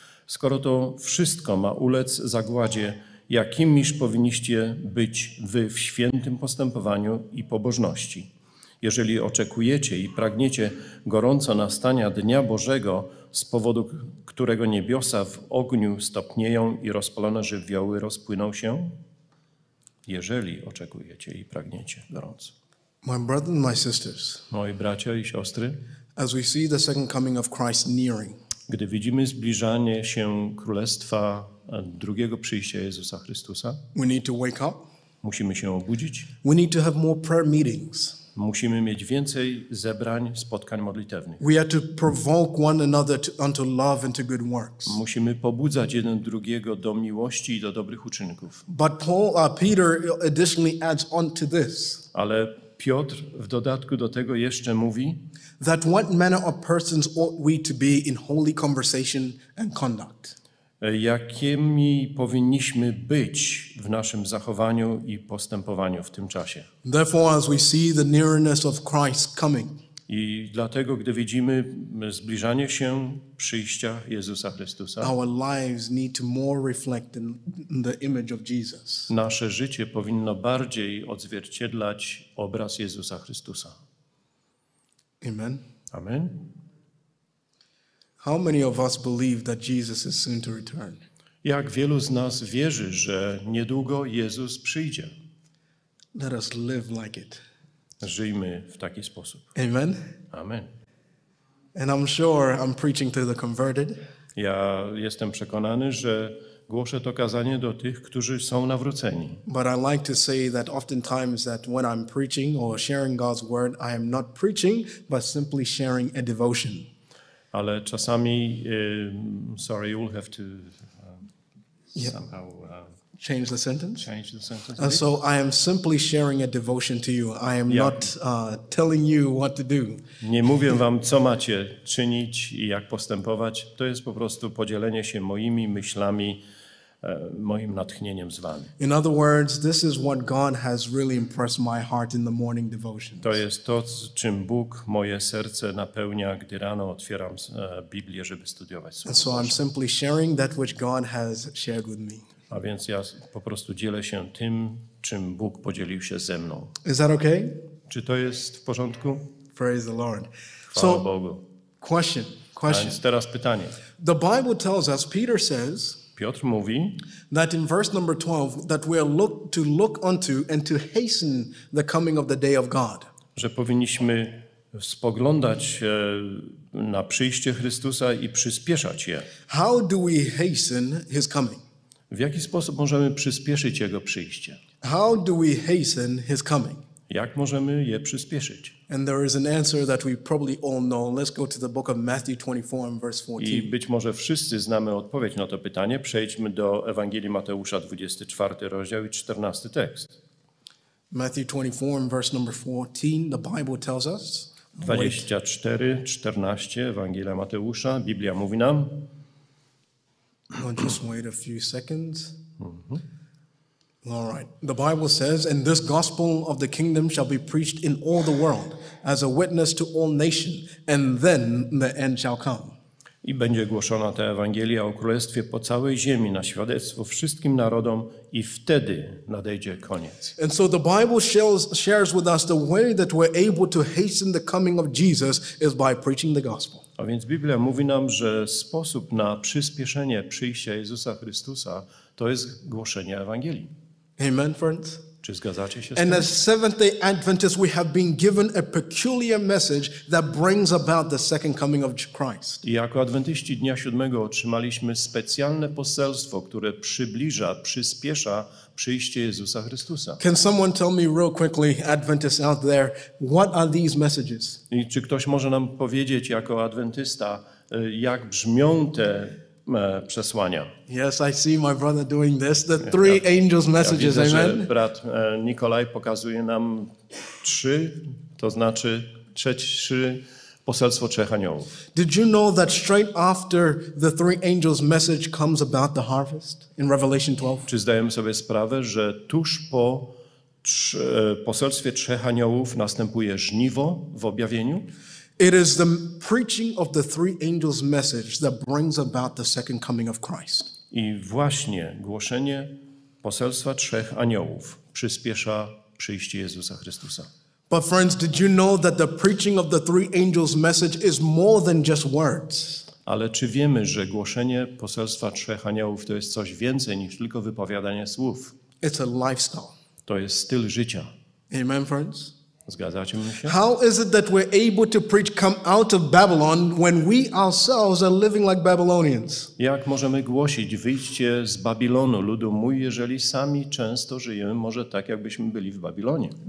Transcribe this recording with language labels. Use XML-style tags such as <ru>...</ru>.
<pl>Skoro to wszystko ma ulec zagładzie, jakimiż powinniście być wy w świętym postępowaniu i pobożności? Jeżeli oczekujecie i pragniecie gorąco nastania Dnia Bożego, z powodu którego niebiosa w ogniu stopnieją i rozpalone żywioły rozpłyną się? Jeżeli oczekujecie i pragniecie gorąco.</pl> <en>My brother and my sisters,</en> <pl>moi bracia i siostry,</pl> <en>as we see the second coming of Christ nearing,</en> <pl>gdy widzimy zbliżanie się Królestwa drugiego przyjścia Jezusa Chrystusa,</pl> <en>we need to wake up.</en> <pl>Musimy się obudzić.</pl> <en>We need to have more prayer meetings.</en> <pl>Musimy mieć więcej zebrań, spotkań modlitewnych.</pl> <en>We have to provoke one another unto love and to good works.</en> <pl>Musimy pobudzać jeden drugiego do miłości i do dobrych uczynków.</pl> <en>But Peter additionally adds on to this.</en> <pl>Ale Piotr w dodatku do tego jeszcze mówi,</pl> <en>that what manner of persons ought we to be in holy conversation and conduct.</en> <pl>Jakimi powinniśmy być w naszym zachowaniu i postępowaniu w tym czasie.</pl> <en>Therefore, as we see the nearness of Christ coming,</en> <pl>i dlatego, gdy widzimy zbliżanie się przyjścia Jezusa Chrystusa,</pl> <en>our lives need to more reflect the image of Jesus.</en> <pl>Nasze życie powinno bardziej odzwierciedlać obraz Jezusa Chrystusa.</pl> <en>Amen.</en> <pl>Amen.</pl> <en>How many of us believe that Jesus is soon to return?</en> <pl>Jak wielu z nas wierzy, że niedługo Jezus przyjdzie?</pl> <en>Let us live like it.</en> <pl>Żyjmy w taki sposób.</pl> <en>Amen.</en> <pl>Amen.</pl> <en>And I'm sure I'm preaching to the converted.</en> <pl>Ja jestem przekonany, że głoszę to kazanie do tych, którzy są nawróceni.</pl> <en>But I like to say that oftentimes that when I'm preaching or sharing God's word, I am not preaching, but simply sharing a devotion.</en> <pl>Ale czasami,</pl> <en>sorry, you'll have to somehow change the sentence. Change the sentence. And so I am simply sharing a devotion to you. I am not telling you what to do.</en> <pl>Nie mówię wam, co macie czynić i jak postępować. To jest po prostu podzielenie się moimi myślami, moim natchnieniem z wami.</pl> <en>In other words, this is what God has really impressed my heart in the morning devotions.</en> <pl>To jest to, z czym Bóg moje serce napełnia, gdy rano otwieram Biblię, żeby studiować Słowo.</pl> <en>And so I'm simply sharing that which God has shared with me.</en> <pl>A więc ja po prostu dzielę się tym, czym Bóg podzielił się ze mną.</pl> <en>Is that okay?</en> <pl>Czy to jest w porządku?</pl> <en>Praise the Lord.</en> <pl>Chwała Bogu.</pl> <en>Question.</en> <pl>A więc teraz pytanie.</pl> <en>The Bible tells us, Peter says,</en> <pl>Piotr mówi,</pl> <en>that in verse number 12, that we are to look unto and to hasten the coming of the day of God.</en> <pl>Że powinniśmy spoglądać na przyjście Chrystusa i przyspieszać je.</pl> <en>How do we hasten his coming?</en> <pl>W jaki sposób możemy przyspieszyć jego przyjście?</pl> <en>How do we hasten his coming?</en> <pl>Jak możemy je przyspieszyć?</pl> <en>And there is an answer that we probably all know. Let's go to the book of Matthew 24 and verse 14.</en> <pl>I być może wszyscy znamy odpowiedź na to pytanie. Przejdźmy do Ewangelii Mateusza 24 rozdział i 14 tekst.</pl> <en>Matthew 24 and verse number 14, the Bible tells us.</en> <pl>24:14 Ewangelia Mateusza, Biblia mówi nam.</pl> <en>I'll just wait a few seconds. All right. The Bible says, and this gospel of the kingdom shall be preached in all the world as a witness to all nations, and then the end shall come.</en> <pl>I będzie głoszona ta Ewangelia o Królestwie po całej ziemi na świadectwo wszystkim narodom i wtedy nadejdzie koniec.</pl> <en>And so the Bible shares with us the way that we're able to hasten the coming of Jesus is by preaching the gospel.</en> <pl>A więc Biblia mówi nam, że sposób na przyspieszenie przyjścia Jezusa Chrystusa to jest głoszenie Ewangelii.</pl> <en>Amen, friends.</en> <pl>Czy zgadzacie się z tym?</pl> <en>And as Seventh-day Adventists, we have been given a peculiar message that brings about the second coming of Christ.</en> <pl>I jako Adwentyści Dnia Siódmego otrzymaliśmy specjalne poselstwo, które przybliża, przyspiesza przyjście Jezusa Chrystusa.</pl> <en>Can someone tell me real quickly, Adventists out there, what are these messages?</en> <pl>I czy ktoś może nam powiedzieć jako Adwentysta, jak brzmią te przesłania?</pl> <en>Yes, I see my brother doing this. The three angels' messages,</en> <pl>widzę, amen. Brat Nikolaj pokazuje nam trzy, to znaczy trzy poselstwo trzech aniołów.</pl> <en>Did you know that straight after the three angels' message comes about the harvest in Revelation 12?</en> <pl>Czy zdajemy sobie sprawę, że tuż po poselstwie trzech aniołów następuje żniwo w objawieniu?</pl> <en>It is the preaching of the three angels' message that brings about the second coming of Christ.</en> <pl>I właśnie głoszenie poselstwa trzech aniołów przyspiesza przyjście Jezusa Chrystusa.</pl> <en>But friends, did you know that the preaching of the three angels' message is more than just words?</en> <pl>Ale czy wiemy, że głoszenie poselstwa trzech aniołów to jest coś więcej niż tylko wypowiadanie słów?</pl> <en>It's a lifestyle.</en> <pl>To jest styl życia.</pl> <en>Amen, friends.</en> <pl>Zgadzacie mi się?</pl> <en>How is it that we're able to preach come out of Babylon when we ourselves are living like Babylonians?</en> <pl>Jak możemy głosić wyjście z Babilonu, ludu mój, jeżeli sami często żyjemy może tak, jakbyśmy byli w Babilonie?</pl>